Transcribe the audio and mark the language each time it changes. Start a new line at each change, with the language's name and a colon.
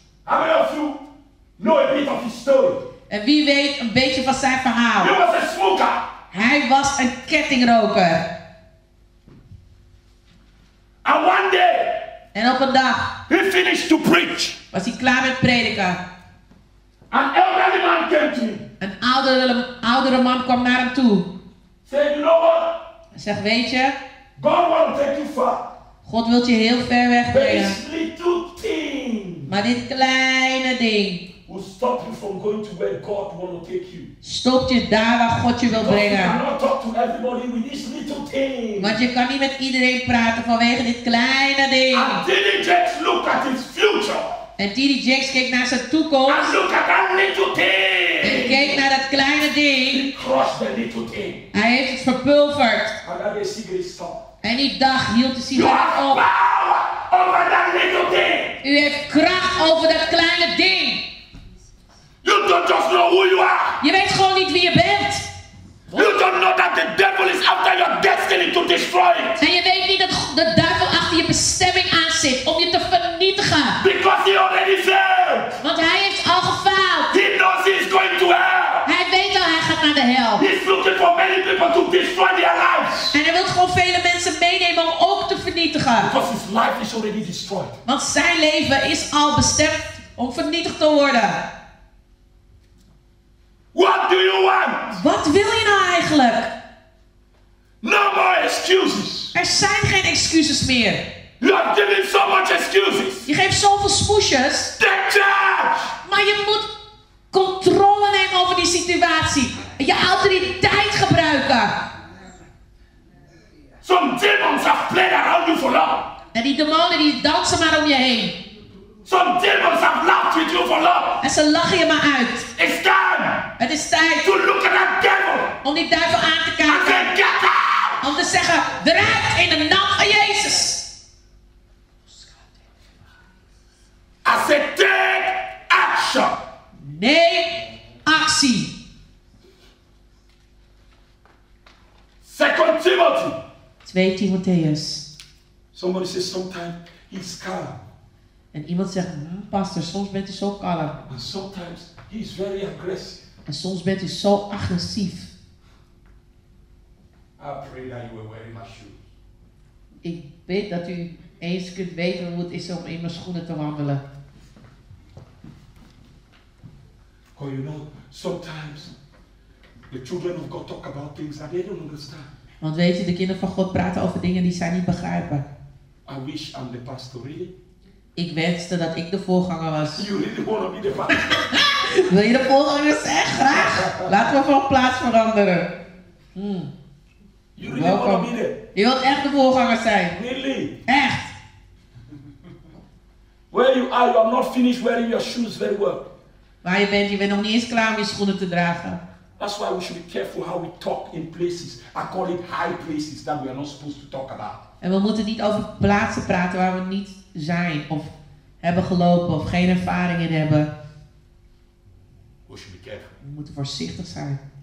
English: How many of you know a bit of his story?
Dutch: En wie weet een beetje van zijn verhaal?
English: He was a smoker.
Dutch: Hij was een kettingroker.
English: And one day,
Dutch: en op een dag,
English: he finished to preach.
Dutch: Was hij klaar met prediken.
English: An elderly man came to him.
Dutch: Een oudere man kwam naar hem toe.
English: Say, you know what?
Dutch: Hij zegt, weet je?
English: God won't take you far.
Dutch: God wil je heel ver weg brengen.
English: This little thing.
Dutch: Maar dit kleine ding.
English: Will stop you from going to where God want to take you.
Dutch: Stopt je daar waar God je wil brengen.
English: Because you cannot talk to everybody with this little thing.
Dutch: Want je kan niet met iedereen praten vanwege dit kleine ding.
English: And Diddy Jakes look at his future.
Dutch: En Diddy Jakes keek naar zijn toekomst.
English: And look at that little thing.
Dutch: En keek naar dat kleine ding.
English: He crushed the little thing.
Dutch: Hij heeft het verpulverd.
English: And that is cigarette stop.
Dutch: En die dag hield de sigaret op.
English: Over that little thing.
Dutch: U heeft kracht over dat kleine ding.
English: You don't just know who you are.
Dutch: Je weet gewoon niet wie je bent.
English: You don't know that the devil is after your destiny to destroy it.
Dutch: En je weet niet dat de duivel achter je bestemming aan zit om je te vernietigen.
English: Because he already failed.
Dutch: Want hij heeft al gefaald.
English: He knows he is going to hell.
Dutch: Hij weet al, hij gaat naar de hel.
English: He's looking for many people to destroy their lives.
Dutch: En hij wil gewoon vele mensen meenemen om ook te vernietigen.
English: Because his life is already destroyed.
Dutch: Want zijn leven is al bestemd om vernietigd te worden.
English: What do you want?
Dutch: Wat wil je nou eigenlijk?
English: No more excuses.
Dutch: Er zijn geen excuses meer.
English: You're giving so much excuses.
Dutch: Je geeft zoveel smoesjes.
English: Take charge.
Dutch: Maar je moet controle nemen over die situatie. Je autoriteit gebruiken.
English: Some demons have played around you for long.
Dutch: En die demonen die dansen maar om je heen.
English: Some demons have laughed with you for long.
Dutch: En ze lachen je maar uit.
English: It's time.
Dutch: Het is tijd.
English: To look at that devil.
Dutch: Om die duivel aan te kijken.
English: And get out.
Dutch: Om te zeggen, eruit in de naam van Jezus.
English: I said, take action.
Dutch: Nee, actie.
English: 2 Timothy.
Dutch: 2 Timotheus.
English: Somebody says sometimes he's calm.
Dutch: En iemand zegt, pastor, soms bent u zo kalm.
English: And sometimes he's very aggressive.
Dutch: En soms bent u zo agressief.
English: I pray that you were wearing my shoe.
Dutch: Ik bid dat u eens kunt weten hoe het is om in mijn schoenen te wandelen.
English: Oh, you know, sometimes the children of God talk about things that they don't understand.
Dutch: Want weet je, de kinderen van God praten over dingen die zij niet begrijpen.
English: I wish I'm the pastor, really.
Dutch: Ik wenste dat ik de voorganger was.
English: You really want to be the pastor?
Dutch: Wil je de voorganger zijn? Graag. Laten we van plaats veranderen.
English: You really want to be the...
Dutch: Je wilt echt de voorganger zijn.
English: Really?
Dutch: Echt.
English: Where you are not finished wearing your shoes very well.
Dutch: Waar je bent nog niet eens klaar om je schoenen te dragen.
English: That's why we should be careful how we talk in places. I call it high places that we are not supposed to talk about.
Dutch: En we moeten niet over plaatsen praten waar we niet zijn of hebben gelopen of geen ervaringen hebben.
English: We should be careful.
Dutch: We moeten voorzichtig zijn.